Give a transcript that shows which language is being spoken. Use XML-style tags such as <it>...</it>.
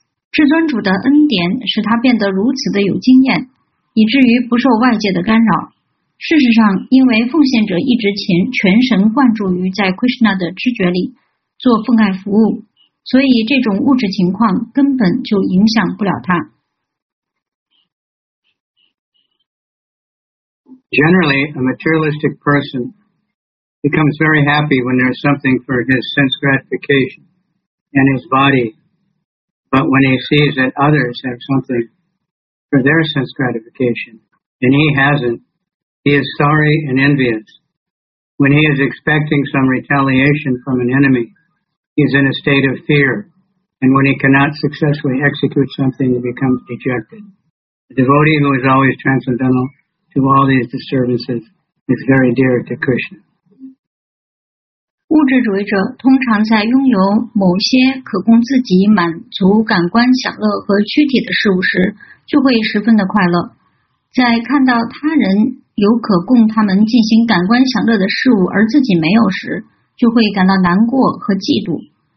<zh>至尊主的恩典使他变得如此的有经验，以至于不受外界的干扰。事实上，因为奉献者一直全神贯注于在 Krishna 的知觉里，做奉爱服务，所以这种物质情况根本就影响不了他。</zh> <en>Generally, a materialistic person becomes very happy when there is something for his sense gratification and his body, but when he sees that others have something for their sense gratification and he hasn't, he is sorry and envious. When he is expecting some retaliation from an enemy,He is in a state of fear, and when he cannot successfully execute something, he becomes dejected. The devotee who is always transcendental to all these disturbances is very dear to Krishna.</en> <zh>物质主义者通常在拥有某些可供自己满足感官享乐和躯体的事物时，就会十分的快乐。在看到他人有可供他们进行感官享乐的事物而自己没有时，就会感到难过和嫉妒。</zh>